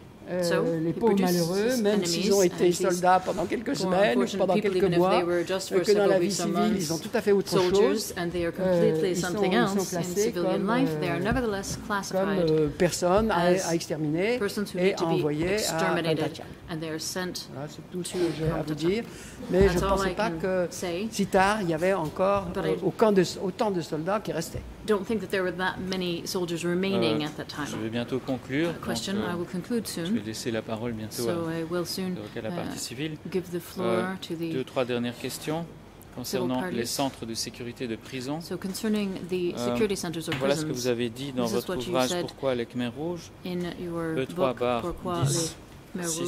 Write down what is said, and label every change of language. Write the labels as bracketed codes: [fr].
[fr] Les pauvres malheureux, même s'ils ont été soldats pendant quelques semaines ou pendant quelques mois, que dans la vie civile, ils ont tout à fait autre chose, ils sont classés comme personnes à exterminer et à envoyer à Kamtchatka. Voilà, c'est tout ce que j'ai à vous dire. Mais je ne pensais pas que si tard, il y avait encore autant de soldats qui restaient. [en] Don't think that there were that many soldiers remaining at that time. [fr] Je vais bientôt conclure. [en] Question. I will conclude soon. [fr] Je vais laisser la parole bientôt à la partie civile. [en] Give the floor to the [fr] deux trois dernières questions concernant les centres de sécurité de prison. [en] So concerning the security centers of prisons. [fr] Voilà ce que vous avez dit dans votre ouvrage Pourquoi les Khmers rouges. [en] In your book Pourquoi les Khmers rouges.